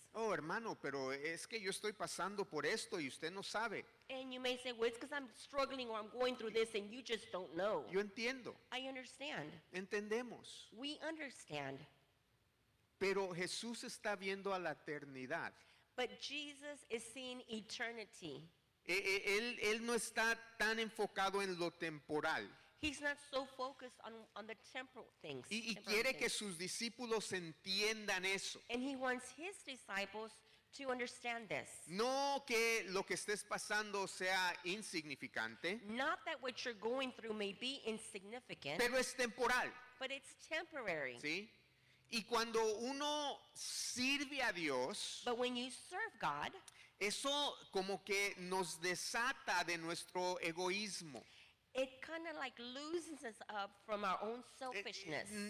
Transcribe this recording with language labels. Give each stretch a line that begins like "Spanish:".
Spanish: Oh, hermano, pero es que yo estoy pasando por esto y usted no sabe.
English: And you may say, well, it's because I'm struggling or I'm going through this and you just don't know.
Spanish: Yo entiendo.
English: I understand.
Spanish: Entendemos.
English: We understand.
Spanish: Pero Jesús está viendo a la eternidad.
English: But Jesus is seeing eternity.
Spanish: Él no está tan enfocado en lo temporal.
English: He's not so focused on the temporal things.
Spanish: Y quiere que sus discípulos entiendan eso.
English: And he wants his disciples to understand this.
Spanish: No que lo que estés pasando sea insignificante.
English: Not that what you're going through may be insignificant.
Spanish: Pero es temporal.
English: But it's temporary.
Spanish: ¿Sí? Y cuando uno sirve a Dios.
English: But when you serve God.
Spanish: Eso como que nos desata de nuestro egoísmo.
English: It kind of like loses us up from our own selfishness.